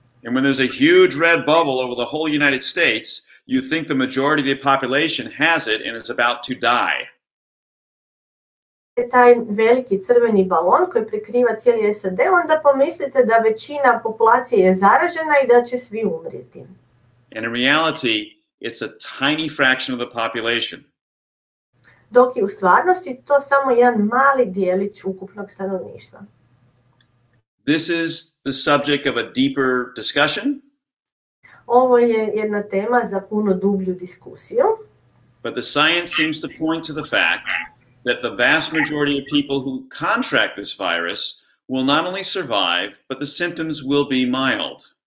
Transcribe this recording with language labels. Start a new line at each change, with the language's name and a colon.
English: And when there's a huge red bubble over the whole United States, you think the majority of the population has it and is about to die.
Croatian: Taj veliki crveni balon koji prekriva cijeli SAD, onda pomislite da većina populacije je zaražena i da će svi umrijeti.
English: And in reality, it's a tiny fraction of the population.
Croatian: Dok je u stvarnosti to samo jedan mali dijelić ukupnog stanovništva.
English: This is the subject of a deeper discussion.
Croatian: Ovo je jedna tema za puno dublju diskusiju.
English: But the science seems to point to the fact that the vast majority of people who contract this virus will not only survive, but the symptoms will be mild.